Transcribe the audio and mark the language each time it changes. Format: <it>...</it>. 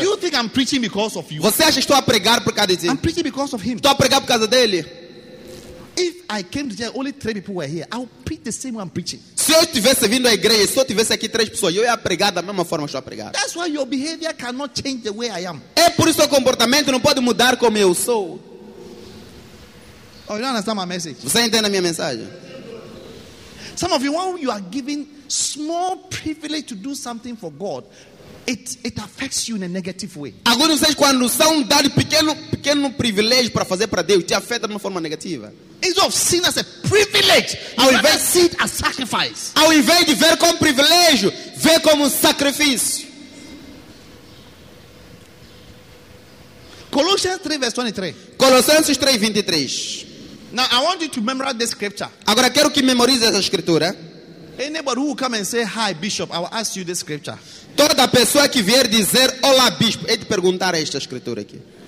<en>You think I'm preaching because of you.</en> <pt>Você acha que estou a pregar por causa de ti?</pt> <en>I'm preaching because of him.</en> <pt>Estou a pregar por causa dele.</pt> <en>If I came to church, only three people were here, I would preach the same way I'm preaching.</en> <pt>Se eu estivesse vindo à igreja, se eu tivesse aqui três pessoas, eu ia pregar da mesma forma que estou a pregar.</pt> <en>That's why your behavior cannot change the way I am.</en> <pt>É por isso que o comportamento não pode mudar como eu sou.</pt> <en>Oh, you don't understand my message.</en> <pt>Você entende a minha mensagem?</pt> <en>Some of you, when you are giving small privilege to do something for God, it affects you in a negative way.</en> <pt>Agora vocês quando são dado pequeno privilégio para fazer para Deus, te afeta de uma forma negativa.</pt> <en>Instead of seeing as a privilege,</en> <pt>ao invés de ver</pt> <en>as sacrifice.</en> <pt>Ao invés de ver como privilégio, ver como sacrifício.</pt> <en>Colossians 3 verse 23.</en> <pt>Colossenses 3 23.</pt> <en>Now I want you to memorize this scripture.</en> <pt>Agora quero que memorize essa escritura.</pt> <en>Anybody who will come and say hi bishop, I will ask you this scripture.</en> <pt>Toda pessoa que vier dizer olá bispo, é de perguntar esta escritura aqui.</pt>